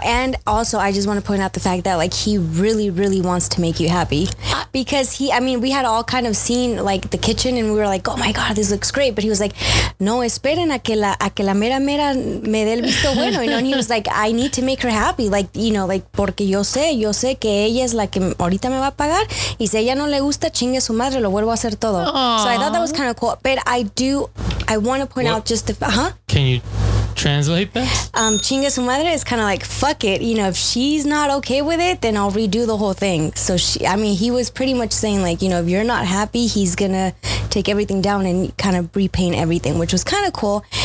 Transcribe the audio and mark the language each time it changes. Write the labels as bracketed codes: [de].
[en] And also, I just want to point out the fact that like, he really, really wants to make you happy, because we had all kind of seen like the kitchen, and we were like, oh my God, this looks great. But he was like, [es] no, esperen a que la mera mera me dé el visto bueno. [en] You know? And he was like, I need to make her happy. Like, you know, like, [es] porque yo sé que ella es la que ahorita me va a pagar. Y si ella no le gusta, chingue su madre, lo vuelvo a hacer todo. Aww. [en] So I thought that was kind of cool. But I want to point out just the, Can you translate that? [es] Chinga su madre [en] is kind of like, fuck it, you know, if she's not okay with it, then I'll redo the whole thing. So he was pretty much saying like, you know, if you're not happy, he's gonna take everything down and kind of repaint everything, which was kind of cool.